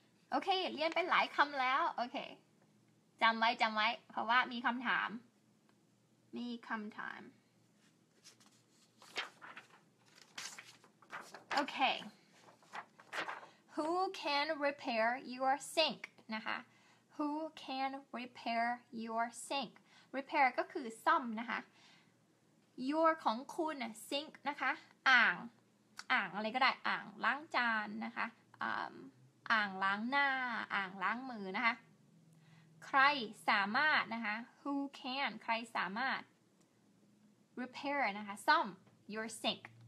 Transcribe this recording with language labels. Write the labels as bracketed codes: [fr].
[th] โอเคเรียนไปหลายคำแล้วโอเคจำไว้จำไว้เพราะว่ามีคำถามมีคำถามโอเค [en] Who can repair your sink? นะคะ Who can repair your sink? [th] Repair ก็คือซ่อมนะคะ Your ของคุณ sink นะคะอ่างอ่างอะไรก็ได้อ่างล้างจานนะคะอ่างล้างหน้าอ่างล้างมือนะคะใครสามารถนะคะ Who can ใครสามารถ repair นะคะซ่อม your sink